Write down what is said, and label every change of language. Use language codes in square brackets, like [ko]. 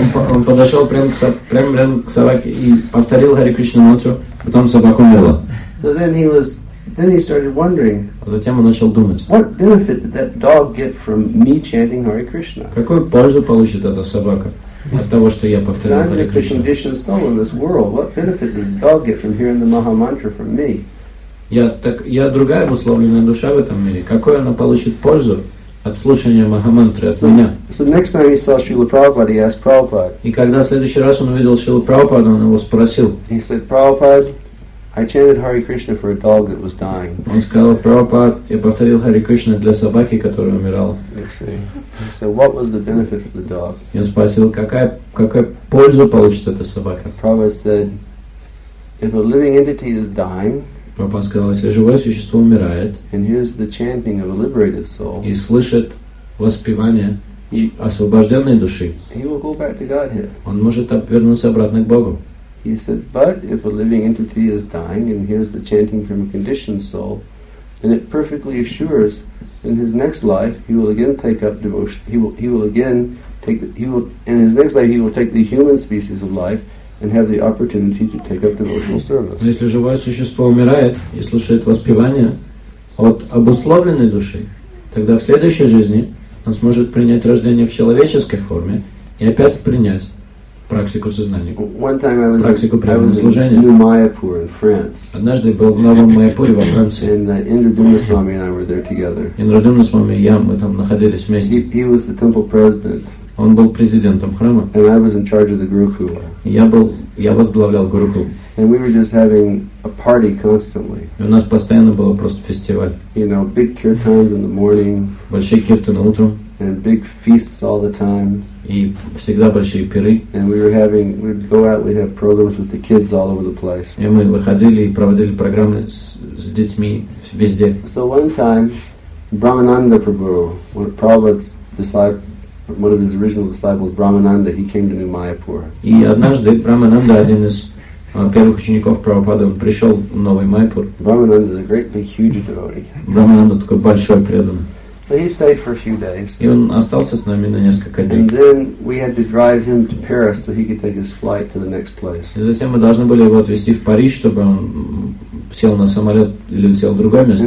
[ru] Он подошел прямо к собаке и повторил Hare Krishna мантру, потом собака умерла. [en] So then he was, then he started wondering. [ru] Затем он начал думать. [en] What benefit did that dog get from me chanting Hare Krishna? [ru] Какую пользу получит эта собака от того, что я повторяю Hare Krishna? [en] I'm just a conditioned soul in this world. What benefit did the dog get from hearing the Maha Mantra from me? [ru] Я другая обусловленная душа в этом мире. Какой она получит пользу? От слушания Махамантры, от меня. [en] So next time he saw Srila Prabhupada, he asked Prabhupada. [ru] И когда в следующий раз он увидел Шрилу Прабхупаду, он его спросил. [en] He said, Prabhupada, I chanted Hare Krishna for a dog that was dying. [ru] Он сказал, Прабхупада, я повторил Hare Krishna для собаки, которая умирала. [en] So what was the benefit for the dog? [ru] И он спросил, какая польза получит эта собака? [en] Prabhupada said, if a living entity is dying, [ru] Прабхупада сказал, если живое существо умирает [en] and hears the chanting of a liberated soul, [ru] и слышит воспевание освобожденной души, [en] he will go back to Godhead. [ru] Он может вернуться обратно к Богу. [en] He said, but if a living entity is dying and hears the chanting from a conditioned soul, then it perfectly assures in his next life he will again take up devotion. He will take the human species of life and have the opportunity to take up devotional service. [ru] Если живое существо умирает и слушает воспевание от обусловленной души, тогда в следующей жизни он сможет принять рождение в человеческой форме и опять принять практику сознания. [en] One time I was [ru] практику преданного служения. [en] In New Mayapur in France. [ru] Однажды был в Новом Майяпуре во Франции. [en] And Indra Dhumaswamy and I were there together. [ru] Индра Дхумасвами и я, мы там находились вместе. [en] He was the temple president. [ru] Он был президентом храма. [en] And I was in charge of the Gurukula. [ru] Я возглавлял Гурукул. [en] And we were just having a party constantly. [ru] И у нас постоянно было просто фестиваль. [en] You know, big kirtans in the morning. [ru] Большие киртаны утром. [en] And big feasts all the time. [ru] И всегда большие пиры. [en] And we were having, we'd go out, we'd have programs with the kids all over the place. [ru] И мы выходили и проводили программы с детьми везде. [en] So one time, Brahmananda Prabhu, one of Prabhupada's disciples, one of his original disciples, Brahmananda, he came to New Mayapur. [ru] И однажды Брамананда, один из первых учеников Прабхупады, он пришел в Новый Майпур. [en] Brahmananda is a great, big, huge devotee. [ru] Брамананда такой большой преданный. [en] So he stayed for a few days. [ru] И он остался с нами на несколько дней. [en] And then we had to drive him to Paris so he could take his flight to the next place. [ru] И затем мы должны были его отвезти в Париж, чтобы он сел на самолет или сел в другое место.